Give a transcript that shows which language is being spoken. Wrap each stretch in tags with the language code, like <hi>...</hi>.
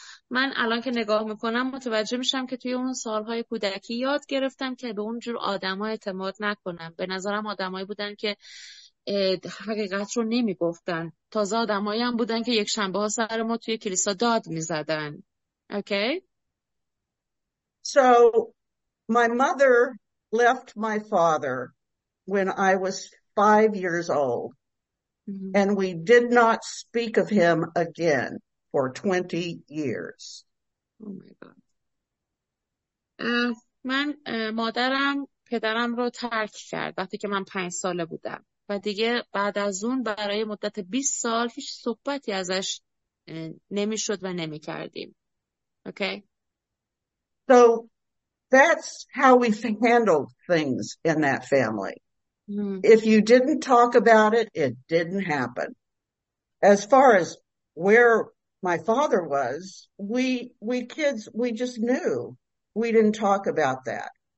<fa>من الان که نگاه میکنم متوجه میشم که توی اون سالهای کودکی یاد گرفتم که به اونجور آدم ها اعتماد نکنم. به نظرم آدمایی بودن که حقیقت رو نمی گفتن. تازه آدمایی هم بودن که یک شنبه ها سر ما توی کلیسا داد می زدن.</fa> <en>Okay? So my mother left my father when I was 5 years old, and we did not speak of him again for 20 years. Oh my God.</en> <fa>من مادرم پدرم رو ترک کرد وقتی که من 5 ساله بودم و دیگه بعد از اون برای مدت 20 سال هیچ صحبتی ازش نمیشد و نمی کردیم.</fa> <en>Okay? So that's how we handled things in that family. If you didn't talk about it, it didn't happen. As far as where my father was, we kids just knew we didn't talk about that.</en>